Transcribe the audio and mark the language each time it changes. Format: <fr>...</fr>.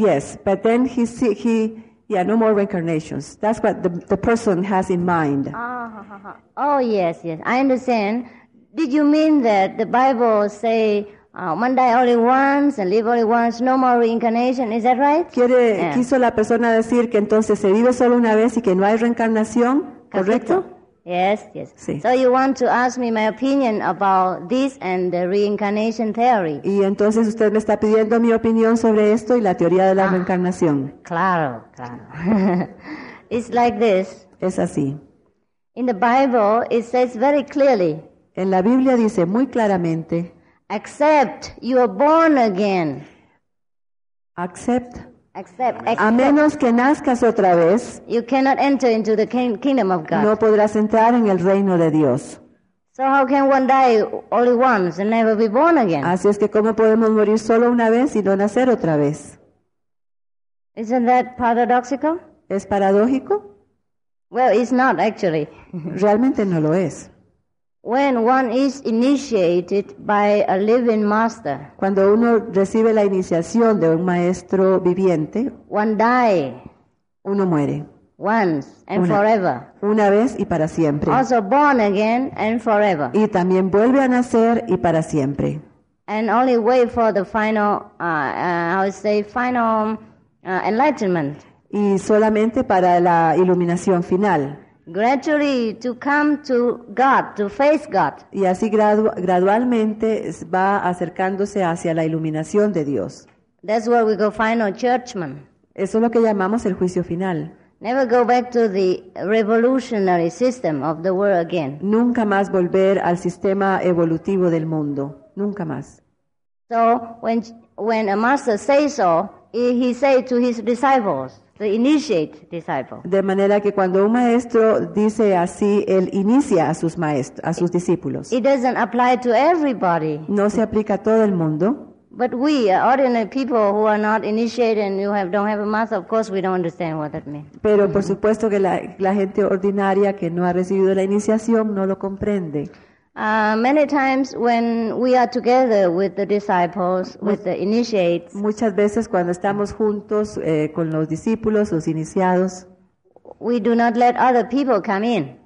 <en>Yes, but then he no more reincarnations. That's what the person has in mind. Oh, yes, yes, I understand. Did you mean that the Bible say one die only once and live only once, no more reincarnation, is that right?</en> <es>¿Quiere, yeah. ¿Quiso la persona decir que entonces se vive solo una vez y que no hay reencarnación, correcto?</es> <en>Yes, yes.</en> <es>Sí.</es> <en>So you want to ask me my opinion about this and the reincarnation theory.</en> <es>Y entonces usted me está pidiendo mi opinión sobre esto y la teoría de la reencarnación. Claro, claro.</es> <en>It's like this.</en> <es>Es así.</es> <en>In the Bible, it says very clearly.</en> <es>En la Biblia dice muy claramente.</es> <en>Except you are born again. Accept. Except, except.</en> <es>A menos que nazcas otra vez,</es> <en>you cannot enter into the kingdom of God.</en> <es>No podrás entrar en el reino de Dios.</es> <en>So how can one die only once and never be born again?</en> <es>Así es que cómo podemos morir solo una vez y no nacer otra vez.</es> <en>Isn't that paradoxical?</en> <es>¿Es paradójico?</es> <en>Well, it's not actually.</en> <es>Realmente no lo es.</es> <en>When one is initiated by a living master,</en> <es>cuando uno recibe la iniciación de un maestro viviente,</es> <en>one die,</en> <es>uno muere,</es> <en>once and forever,</en> <es>una vez y para siempre,</es> <en>also born again and forever,</en> <es>y también vuelve a nacer y para siempre,</es> <en>and only wait for the final, enlightenment,</en> <es>y solamente para la iluminación final.</es> <en>Gradually to come to God, to face God.</en> <es>Y así gradualmente va acercándose hacia la iluminación de Dios.</es> <en>That's what we call final judgment.</en> <es>Eso es lo que llamamos el juicio final.</es> <en>Never go back to the revolutionary system of the world again.</en> <es>Nunca más volver al sistema evolutivo del mundo. Nunca más.</es> <en>So when a master says so, he says to his disciples. The initiate disciple.</en> <es>De manera que cuando un maestro dice así, él inicia a sus maestros, a sus discípulos.</es> <en>It doesn't apply to everybody.</en> <es>No se aplica a todo el mundo.</es> <en>But we, ordinary people who are not initiated and don't have a master, of course we don't understand what that means.</en> <es>Pero por supuesto que la gente ordinaria que no ha recibido la iniciación no lo comprende.</es> <en>Many times when we are together with the disciples, with the initiates,</en> <es>muchas veces cuando estamos juntos con los discípulos, los iniciados,</es> <en>we do not let other people come in.</en>